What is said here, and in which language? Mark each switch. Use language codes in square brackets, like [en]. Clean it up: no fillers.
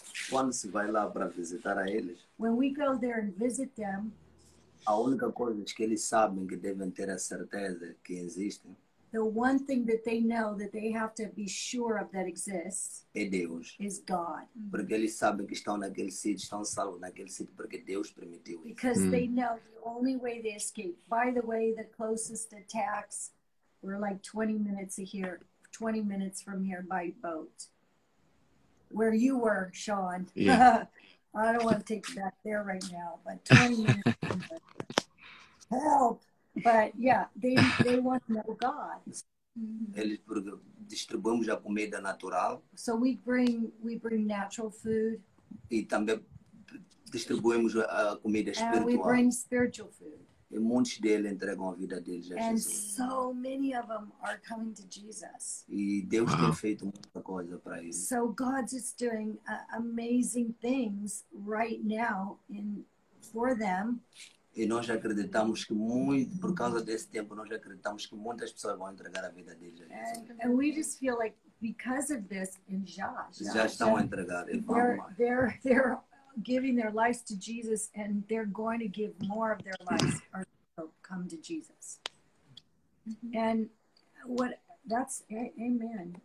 [pt] Quando se vai lá para visitar a eles, [en] when we go there and visit them, [pt] a única coisa que eles sabem que devem ter a certeza que existem, [en] the one thing that they know that they have to be sure of that exists, [pt] é Deus. [en] Is God. [pt] Porque eles sabem que estão naquele sítio, estão salvos naquele sítio porque Deus permitiu isso. [en] Because they know the only way they escape. By the way, the closest attacks were like 20 minutes here, 20 minutes from here by boat. Where you were, Sean. Yeah. I don't want to take you back there right now, but 20 minutes. Help! But yeah, they want to know God. [pt] Distribuímos a comida natural. [en] So we bring natural food. [pt] E também distribuímos a comida espiritual. [en] And we bring spiritual food. [pt] E muitos deles entregam a vida deles a Jesus. [en] And so many of them are coming to Jesus. [pt] E Deus tem feito muita coisa para eles. [en] So God is doing amazing things right now for them. [pt] E nós acreditamos que muito, por causa desse tempo, nós acreditamos que muitas pessoas vão entregar a vida deles a Jesus. [en] And we just feel like because of this, and já [pt] estão a entregar. [en] They're giving their lives to Jesus, and they're going to give more of their lives or come to Jesus. Mm-hmm. And what that's amen.